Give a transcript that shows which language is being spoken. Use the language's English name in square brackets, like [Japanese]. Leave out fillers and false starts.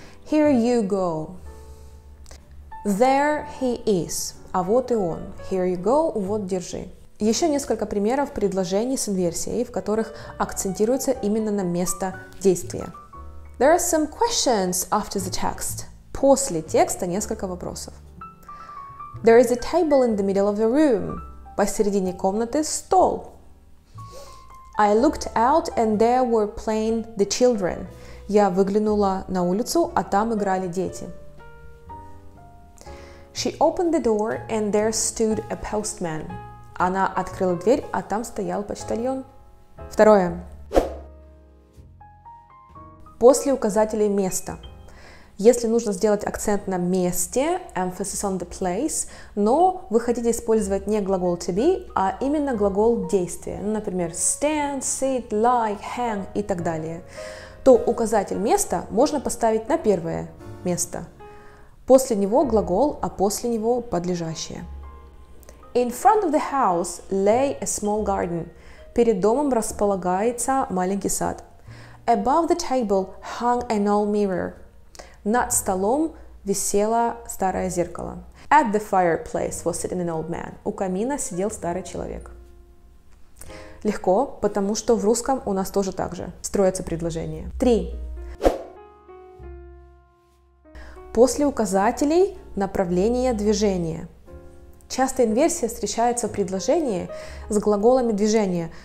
[English] Here you go. There he is. [Russian] А вот и он. [English] Here you go. [Russian] Вот держи. Еще несколько примеров предложений с инверсией, в которых акцентируется именно на место действия. [English] There are some questions after the text. [Russian] После текста несколько вопросов. [English] There is a table in the middle of the room. [Russian] Посередине комнаты стол. [English] I looked out and there were playing the children. [Russian] Я выглянула на улицу, а там играли дети. [English] She opened the door and there stood a postman. [Russian] Она открыла дверь, а там стоял почтальон. Второе. После указателей места. Если нужно сделать акцент на месте, [English] emphasis on the place, [Russian] но вы хотите использовать не глагол to be, а именно глагол действия, например, stand, sit, lie, hang и так далее, то указатель места можно поставить на первое место. После него глагол, а после него подлежащее. [English] In front of the house lay a small garden. [Russian] Перед домом располагается маленький сад. [English] Above the table hung an old mirror. [Russian] Над столом висело старое зеркало. [English] At the fireplace was sitting an old man. [Russian] У камина сидел старый человек. Легко, потому что в русском у нас тоже так же строятся предложения. Три. После указателей направления движения. Часто инверсия встречается в предложении с глаголами движения.